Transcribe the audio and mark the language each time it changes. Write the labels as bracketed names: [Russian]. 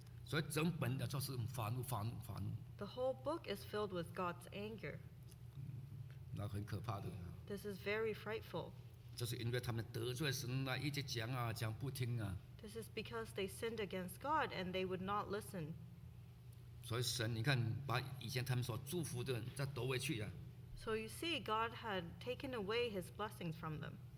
[Chinese] 所以整本的就是发怒。 [English] The whole book is filled with God's anger. [Chinese] 那很可怕的。 [English] This is very frightful. [Chinese] 就是因为他们得罪神啊，一直讲啊，讲不听啊。 [English] This is because they sinned against God and they would not listen. [Chinese] 所以神，你看，把以前他们所祝福的再夺回去啊。 [English] So you see, God had taken away His blessings from them.